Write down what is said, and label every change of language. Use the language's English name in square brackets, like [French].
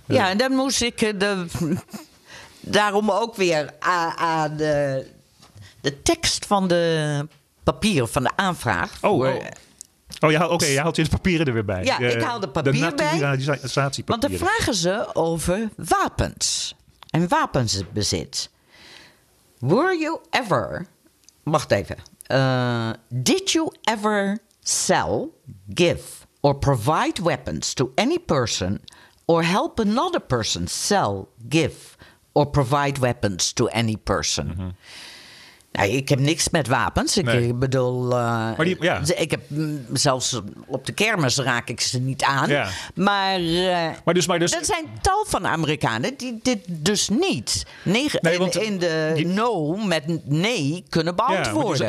[Dutch] Ja, en dan moest ik daarom ook weer aan de tekst van de papieren van de aanvraag. Je haalt de papieren er weer bij. Ja, ik haal de papieren bij. De naturalisatiepapieren. Want dan vragen ze over wapens en wapensbezit. [English] Were you ever, [Dutch] wacht even. [English] Did you ever sell, give or provide weapons to any person or help another person sell, give or provide weapons to any person. Mm-hmm. [Dutch] Nou, ik heb niks met wapens. Ik bedoel, ik heb zelfs op de kermis raak ik ze niet aan. [English] Yeah. [Dutch] Maar dus... Er zijn tal van Amerikanen die dit dus niet kunnen beantwoorden.